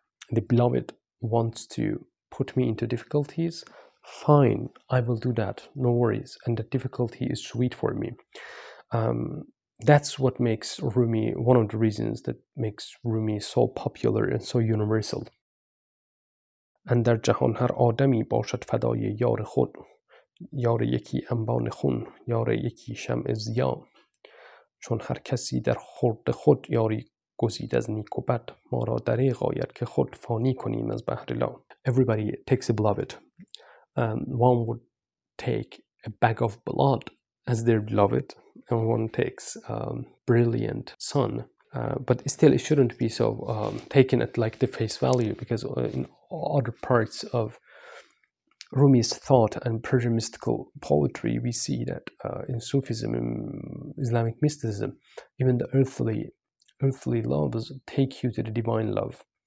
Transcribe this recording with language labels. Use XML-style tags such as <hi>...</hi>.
<en>The beloved wants to put me into difficulties. Fine, I will do that. No worries. And the difficulty is sweet for me. That's what makes Rumi, one of the reasons that makes Rumi so popular and so universal.</en> <fa>And در جهان هر آدمی باشد فدای یار خود یار یکی انبان خون یار یکی شمع ضیا چون هر کسی در خورد خود یاری گزید از نیک و بد ما را دریغ آید که خود فانی کنیم از بحر لا.</fa> <en>Everybody takes a beloved. One would take a bag of blood as their beloved, and one takes a brilliant sun. But still, it shouldn't be so taken at like the face value, because in other parts of Rumi's thought and Persian mystical poetry, we see that in Sufism, in Islamic mysticism, even the earthly loves take you to the divine love.</en>